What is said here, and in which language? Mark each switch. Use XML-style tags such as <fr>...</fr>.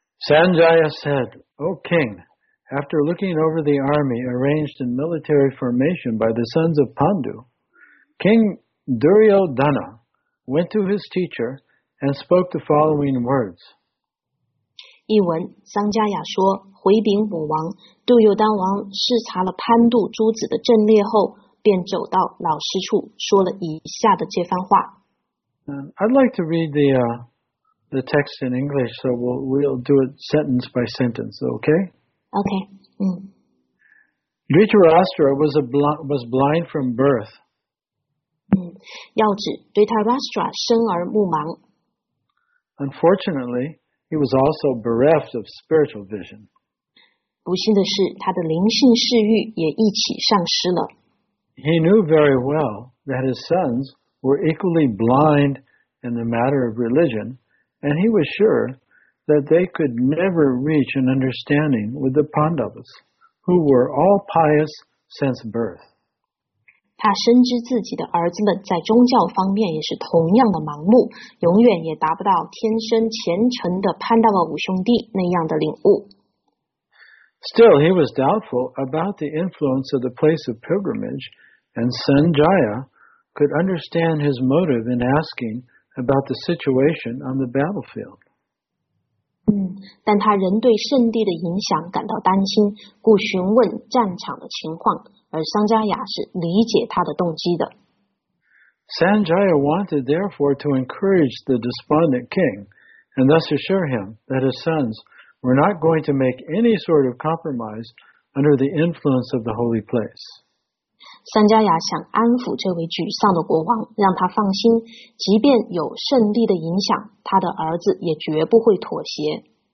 <en>Sanjaya said, O king, after looking over the army arranged in military formation by the sons of Pandu, King Duryodhana went to his teacher and spoke the following words.</en> <zh>译文桑加雅说回禀武王杜尤丹王视察了潘杜诸子的阵列后便走到老师处说了以下的这番话</zh> <en>I'd like to read the text in English, so we'll do it sentence by sentence, okay? Okay. Dhritarashtra was blind from birth.</en> <zh>要指 Dhritarashtra 生而目盲。</zh> <en>Unfortunately, he was also bereft of spiritual vision.</en> <zh>不幸的是他的灵性视域也一起丧失了。</zh> <en>He knew very well that his sons were equally blind in the matter of religion,And he was sure that they could never reach an understanding with the Pandavas, who were all pious since birth.</en> <zh>他深知自己的儿子们在宗教方面也是同样的盲目，永远也达不到天生虔诚的潘达瓦五兄弟那样的领悟。</zh> <en>Still, he was doubtful about the influence of the place of pilgrimage, and Sanjaya could understand his motive in asking. About the situation on the battlefield.</en> <zh>但他仍对圣地的影响感到担心，故询问战场的情况。而桑加雅是理解他的动机的。</zh> <en>Sanjaya wanted, therefore, to encourage the despondent king, and thus assure him that his sons were not going to make any sort of compromise under the influence of the holy place.</en> <zh>桑加雅想安抚这位沮丧的国王，让他放心，即便有胜利的影响，他的儿子也绝不会妥协。</zh>